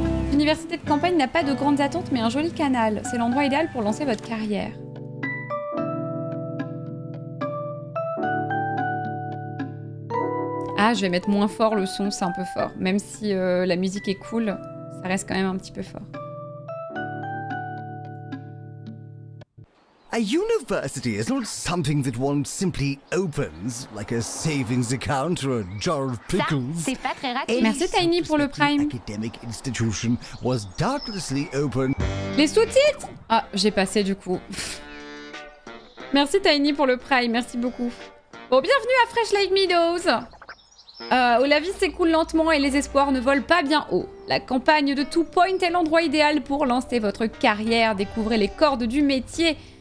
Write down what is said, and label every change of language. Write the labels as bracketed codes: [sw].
[fr] L'université de campagne n'a pas de grandes attentes mais un joli canal. C'est l'endroit idéal pour lancer votre carrière. Ah je vais mettre moins fort le son, c'est un peu fort. Même si la musique est cool, ça reste quand même un petit peu fort. [en] A university is not something that one simply opens, like a savings account or a jar of pickles. [fr] Ça, c'est pas très raté. Merci Tiny pour le Prime. [en] Academic institution was doubtlessly open. [fr] Les sous-titres ? Ah, j'ai passé du coup. Merci Tiny pour le Prime, merci beaucoup. Bon, bienvenue à Fresh Lake Meadows. Où la vie s'écoule lentement et les espoirs ne volent pas bien haut. La campagne de Two Point est l'endroit idéal pour lancer votre carrière, découvrir les cordes du métier.